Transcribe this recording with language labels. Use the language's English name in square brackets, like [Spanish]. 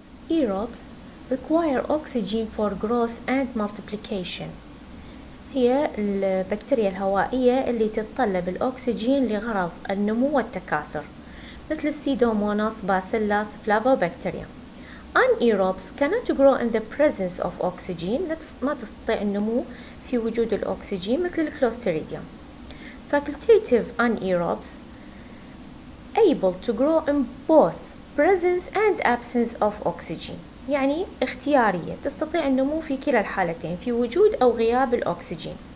[English] Aerobes require oxygen for growth and multiplication. [Arabic] هي البكتيريا الهوائية اللي تتطلب الأكسجين لغرض النمو والتكاثر، مثل السيدوموناس باسيلس فلافوبكتيريا. [English] Anaerobes cannot grow in the presence of oxygen. [Arabic] ما تستطيع النمو في وجود الأكسجين مثل الكلوستريديم. [English] Facultative anaerobes able to grow in both presence and absence of oxygen. [Arabic] يعني اختيارية، تستطيع النمو في كلا الحالتين، في وجود أو غياب الأكسجين.